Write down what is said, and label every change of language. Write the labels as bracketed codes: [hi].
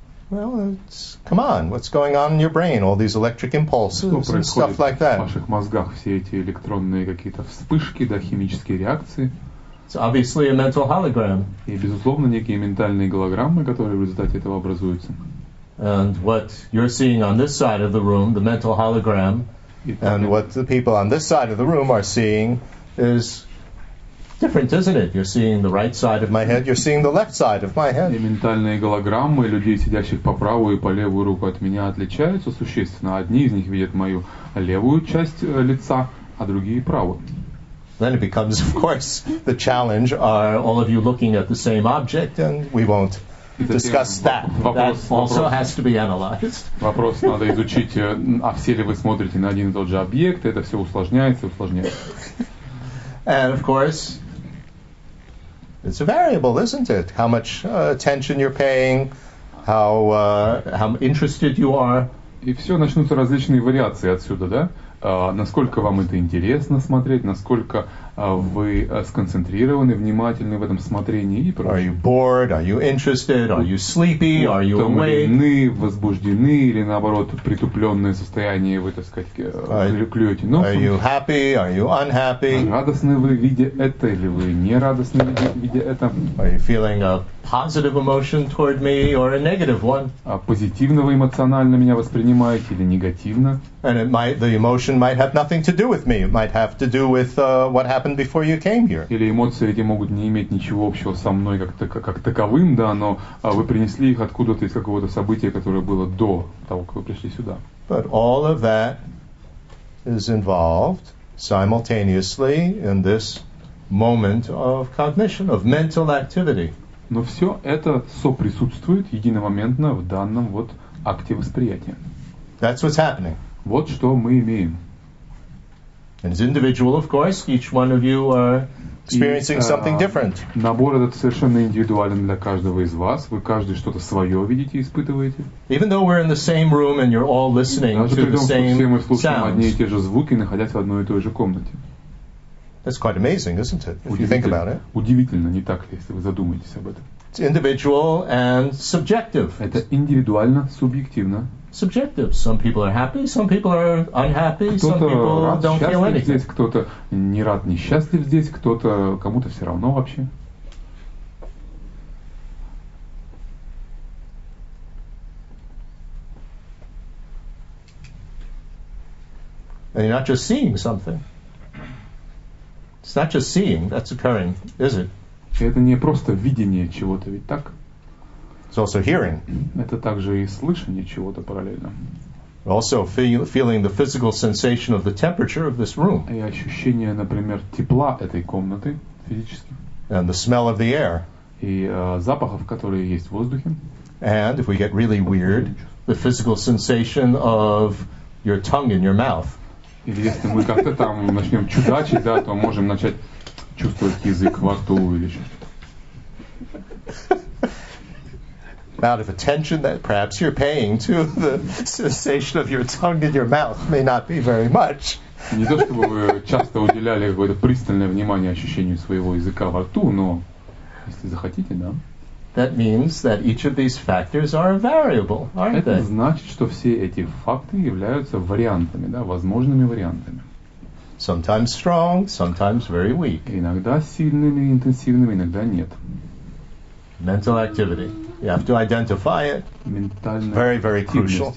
[en] Well, it's, come on, what's going on in your brain? All these electric impulses and stuff like that. [ru] В ваших мозгах все эти электронные какие-то вспышки, да, химические реакции. [en] It's obviously a mental hologram. [ru] И, безусловно, некие ментальные голограммы, которые в результате этого образуются. [en] And what you're seeing on this side of the room, the mental hologram. And what the people on this side of the room are seeing is different, isn't it? You're seeing the right side of my head, you're seeing the left side of my head. [ru] И ментальные голограммы людей, сидящих по правую и по левую руку от меня, отличаются существенно. Одни из них видят мою левую часть лица, а другие правую. [en] Then it becomes, of course, the challenge, are all of you looking at the same object, and we won't discuss that. That also has to be analyzed. [ru] Вопрос надо изучить, а все ли вы смотрите на один и тот же объект, это все усложняется и усложняется. [en] And of course, it's a variable, isn't it? How much attention you're paying, how interested you are. [ru] И все начнутся различные вариации отсюда, да? Насколько вам это интересно смотреть, насколько вы сконцентрированы, внимательны в этом смотрении и прочее. [en] Are you bored? Are you interested? Are you sleepy? Are you awake? [ru] Утомлены, возбуждены или наоборот притупленное состояние вы, так сказать, клюете носом? [en] Are you happy? Are you unhappy? [ru] Радостны вы, видя это, или вы не радостны, видя это? [en] Are you feeling a positive emotion toward me or a negative one? [ru] А позитивно вы эмоционально меня воспринимаете или негативно? [en] And it might, the emotion might have nothing to do with me. It might have to do with what happened before you came here. [ru] Или эмоции эти могут не иметь ничего общего со мной как таковым, да, но вы принесли их откуда-то из какого-то события, которое было до того, как вы пришли сюда. [en] But all of that is involved simultaneously in this moment of cognition, of mental activity. [ru] Но все это соприсутствует единомоментно в данном вот акте восприятия. [en] That's what's happening. [ru] Вот что мы имеем. [en] And it's individual, of course. Each one of you are experiencing something different. [ru] Набор этот совершенно индивидуален для каждого из вас. Вы каждый что-то свое видите, испытываете. [en] Even though we're in the same room and you're all listening to the same sounds. [ru] Даже при том, что все мы слушаем одни и те же звуки, находясь в одной и той же комнате. [en] That's quite amazing, isn't it? If you think about it. [ru] Удивительно, не так ли, если вы задумаетесь об этом? [en] It's individual and subjective. [ru] Это индивидуально, субъективно. [en] Subjective. Some people are happy, some people are unhappy, [ru] кто-то [en] some people [ru] рад, [en] don't feel anything. [ru] Здесь, кто-то не рад, несчастлив здесь, кто-то кому-то все равно вообще. [en] And you're not just seeing something. It's not just seeing that's occurring, is it? [ru] Это не просто видение чего-то, ведь так? [en] It's also hearing. [ru] Это также и слышание чего-то параллельно. [en] Also feeling the physical sensation of the temperature of this room. [ru] И ощущение, например, тепла этой комнаты физически. [en] And the smell of the air. [ru] И запахов, которые есть в воздухе. [en] And if we get really weird, the physical sensation of your tongue in your mouth. [ru] Или если мы как-то там начнем чудачить, да, то можем начать чувствовать язык во рту или что-то. [en] Amount of attention that perhaps you're paying to the sensation of your tongue in your mouth may not be very much. [ru] Не то чтобы вы часто уделяли какое-то пристальное внимание ощущению своего языка во рту, но если захотите, да. [en] That means that each of these factors are a variable, aren't they? [ru] Это значит, что все эти факты являются вариантами, да, возможными вариантами. [en] Sometimes strong, sometimes very weak. [ru] Иногда сильными, интенсивными, иногда нет. [en] Mental activity. You have to identify it. [ru] Ментальная [en] very, very crucial.